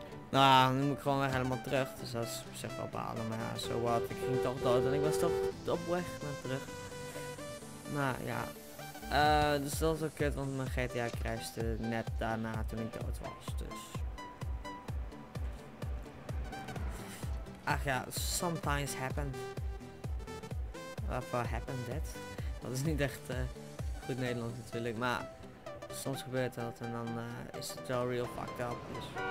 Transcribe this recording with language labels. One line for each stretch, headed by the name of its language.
Dutch: Nou, nu moet ik gewoon weer helemaal terug. Dus dat is op zich wel balen. Maar ja, zo wat. Ik ging toch dood en ik was toch op weg naar terug. Nou ja. Dus dat is ook kut, want mijn GTA crashte net daarna toen ik dood was. Dus. Ach ja,
English: sometimes happen.
Dutch: Waarvoor
English: happen that?
Dutch: Dat is niet echt goed Nederlands natuurlijk, maar. Soms gebeurt dat en dan is het wel
English: real fucked up.
Dutch: Dus.